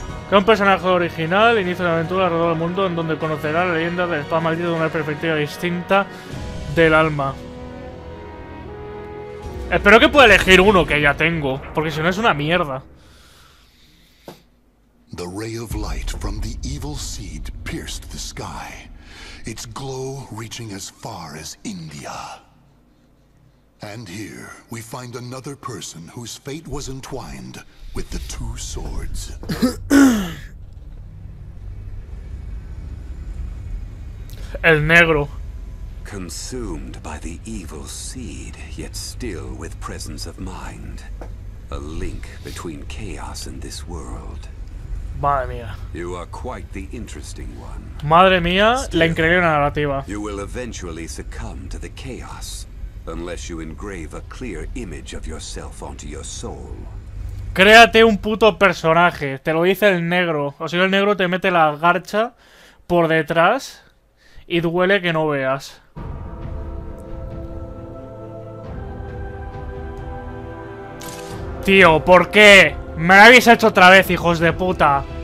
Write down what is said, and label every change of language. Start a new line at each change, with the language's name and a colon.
Spanish: Es un personaje original, inicia una aventura alrededor del mundo en donde conocerá la leyenda del espada maldito de una perspectiva distinta del alma. Espero que pueda elegir uno que ya tengo, porque si no es una mierda.
English: The ray of light from the evil seed pierced the sky. Its glow reaching as far as India. And here we find another person whose fate was entwined with the two swords. El negro. Consumed by the evil seed, yet still with presence of mind. A link between chaos and this world.
Spanish: Madre mía.
English: You are quite the interesting one.
Spanish: Madre mía, la increíble narrativa.
English: You will eventually succumb to the chaos unless you engrave a clear image of yourself onto your soul.
Spanish: Créate un puto personaje, te lo dice el negro. O sea, el negro te mete la garcha por detrás y duele que no veas. Tío, ¿por qué? Me la habéis hecho otra vez, hijos de puta.